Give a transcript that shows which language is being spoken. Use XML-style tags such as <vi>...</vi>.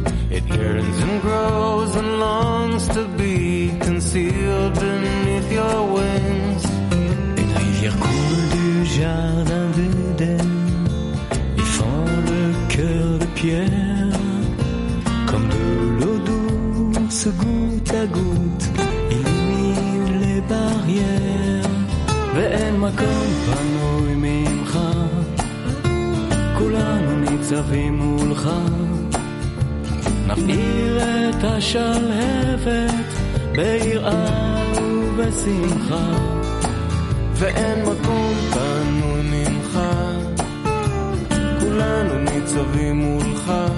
<en>It yearns and grows and longs to be concealed beneath your wings.</en> <fr>Une rivière coule du jardin d'Eden. Il fend le cœur de pierre. Comme de l'eau douce, goutte à goutte, illumine les barrières.</fr> <he>Ve'en makom panoy mimcha. כולנו ניצבים מולך נפעיר את השלהבת ביראה ובשמחה ואין מקום פנוי ממך כולנו ניצבים מולך</he>